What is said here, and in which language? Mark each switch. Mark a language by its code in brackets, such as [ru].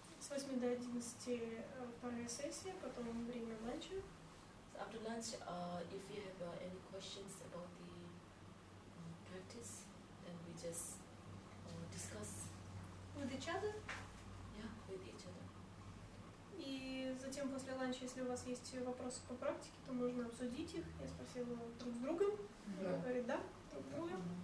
[ru] С 8 до 11 вторая сессия, потом время ланча. [en] So after lunch, if you have any questions about the practice, then we just discuss. With each other? Yeah, with each other. [ru] И затем после ланча, если у вас есть вопросы по практике, то можно обсудить их. Я спросила друг с другом. [en] Yeah. [ru] Он говорит, да, друг с другом.